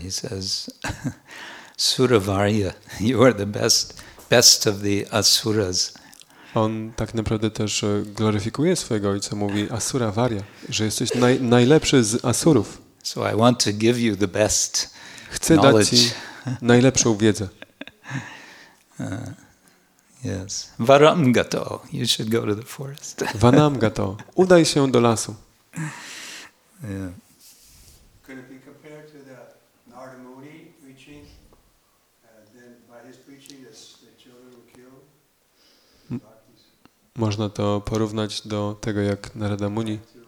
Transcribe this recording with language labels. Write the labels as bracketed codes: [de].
[en] He says, "Suravarya, you are the best of the asuras." [pl] On tak naprawdę też gloryfikuje swojego ojca, mówi Asuravarya, że jesteś najlepszy z asurów. [en] So I want to give you the best. [pl] Chcę dać ci najlepszą wiedzę. [en] Yes. Varam gato. You should go to the forest. [pl] Varam gato. Udaj się do lasu. [en] Yeah. Could it be compared to the Narada Muni preaching? Then by his preaching, the children were killed. [pl] Można to porównać do tego, jak Narada Muni.